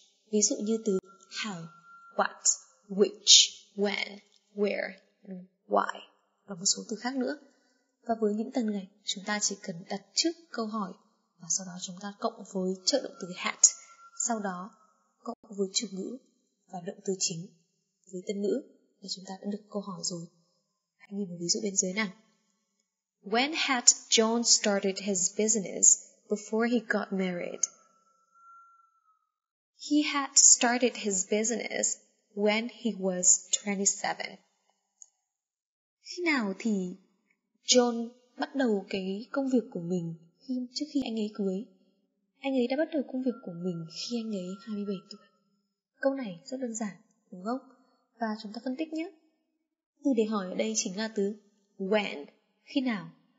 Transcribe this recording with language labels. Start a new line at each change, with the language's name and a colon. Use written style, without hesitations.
Vietnamese: Ví dụ như từ how, what, which, when, where, why. Và một số từ khác nữa. Và với những từ này, chúng ta chỉ cần đặt trước câu hỏi và sau đó chúng ta cộng với trợ động từ had, sau đó cộng với chủ ngữ và động từ chính với tân ngữ thì chúng ta đã được câu hỏi rồi. Hãy nhìn một ví dụ bên dưới nào.
English: When had John started his business before he got married? He had started his business when he was 27.
Vietnamese: Khi nào thì John bắt đầu cái công việc của mình trước khi anh ấy cưới? Anh ấy đã bắt đầu công việc của mình khi anh ấy 27 tuổi. Câu này rất đơn giản, đúng không? Và chúng ta phân tích nhé. Từ để hỏi ở đây chính là từ when, khi nào.